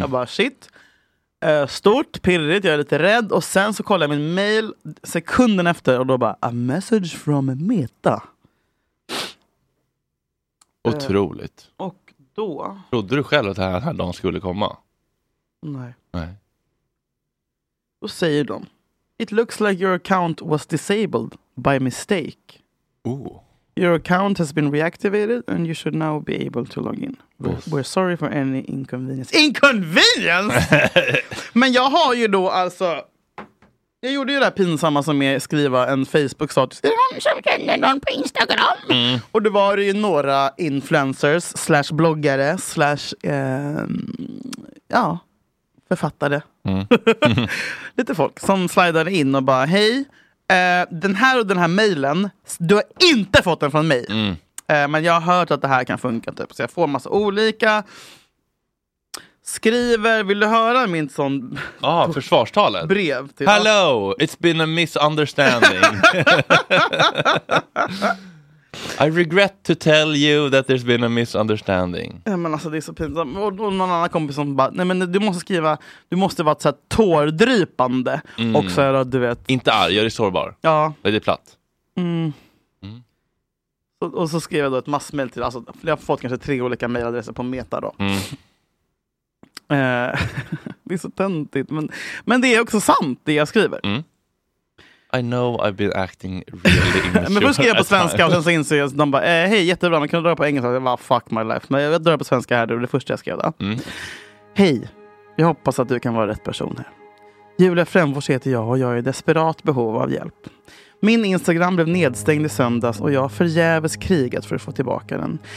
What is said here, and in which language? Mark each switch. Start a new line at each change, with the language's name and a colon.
Swedish: Jag bara shit. Stort. Pirrigt. Jag är lite rädd. Och sen så kollar jag min mail. Sekunden efter. Och då bara.
English: A message from Meta.
Swedish: Otroligt. Och då. Trodde du själv att den här dagen skulle komma? Nej. Nej. Då säger de,
English: it looks like your account was disabled by mistake. Ooh. Your account has been reactivated and you should now be able to log in. We're sorry for any inconvenience. Inconvenience?
Swedish: Men jag har ju då alltså, jag gjorde ju det här pinsamma som är att skriva en Facebook-status. Är det någon som känner någon på Instagram? Mm. Och det var ju några influencers slash bloggare slash, ja, författare. Mm. Lite folk som slidade in och bara hej, den här mailen, du har inte fått den från mig. Mm. Men jag har hört att det här kan funka typ. Så jag får massa olika. Skriver, vill du höra min sån försvarstalet brev till hello, oss?
English: It's been a misunderstanding. I regret to tell you that there's been a misunderstanding.
Swedish: Ja, men alltså det är så pinsamt. Och någon annan kompis som bara, nej men du måste skriva, du måste vara så här tårdrypande. Mm. Och så är det, du vet. Inte arg, jag är sårbar. Ja. Det är platt. Mm. Mm. Och så skrev jag då ett massmail till, alltså jag har fått kanske 3 olika mailadresser på Meta då. Mm. Det är så töntigt, men det är också sant det jag skriver. Mm.
English: I know I've been acting really immature.
Swedish: Men först skrev jag på svenska och sen så inser jag. De bara, hej, jättebra, men kan du dra på engelska? Jag bara,
English: fuck my life.
Swedish: Men jag drar på svenska här, det var det första jag skrev. Mm. Hej, jag hoppas att du kan vara rätt person här. Julia Främfors heter jag och jag är i desperat behov av hjälp. Min Instagram blev nedstängd i söndags och jag har förgäves krigat för att få tillbaka den.